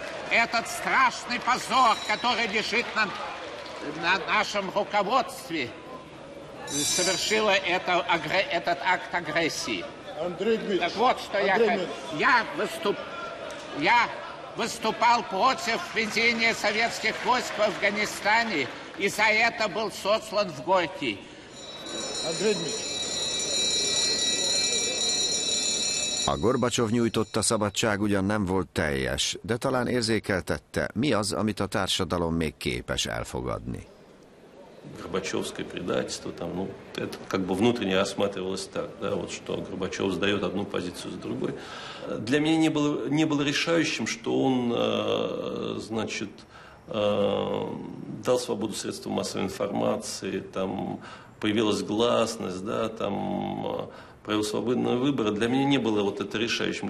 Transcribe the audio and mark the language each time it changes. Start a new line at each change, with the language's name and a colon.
Russian: Этот страшный позор, который лежит на нашем руководстве, совершила этот акт агрессии. Андрей Дмитриевич, так вот, что я выступал против введения советских войск в Афганистане и за это был сослан в Горький. Андрей Дмитриевич.
Hungarian: A Gorbacsov nyújtotta szabadság ugyan nem volt teljes, de talán érzékeltette, mi az, amit a társadalom még képes elfogadni.
Russian: Горбачевское предательство там, ну, это как бы внутренне рассматривалось так, да, вот что Горбачев сдает одну позицию за другой. Для меня не было решающим, что он, значит, дал свободу средствам массовой информации, там появилась гласность, да, там провел свободные выборы, для меня не было вот это решающим.